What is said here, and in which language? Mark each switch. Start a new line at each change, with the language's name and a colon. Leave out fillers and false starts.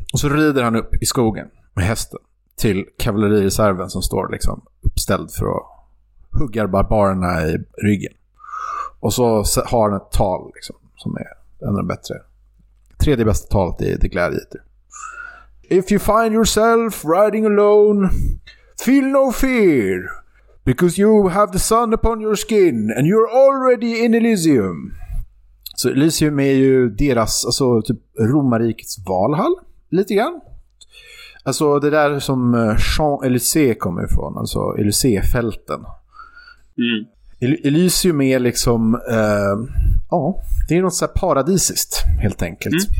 Swedish: Och så rider han upp i skogen med hästen till kavallerireserven som står liksom uppställd för att hugga barbarerna i ryggen. Och så har han ett tal liksom, som är ännu bättre. Tredje bästa talet i The Gladiator.
English: If you find yourself riding alone, feel no fear, because you have the sun upon your skin and you're already in Elysium.
Swedish: Så Elysium är ju deras, alltså typ romarrikets Valhall, lite grann. Alltså det där som Champs-Élysées kommer ifrån, alltså Élysée-fälten. Elysium är liksom, ja, det är något så här paradisiskt, helt enkelt.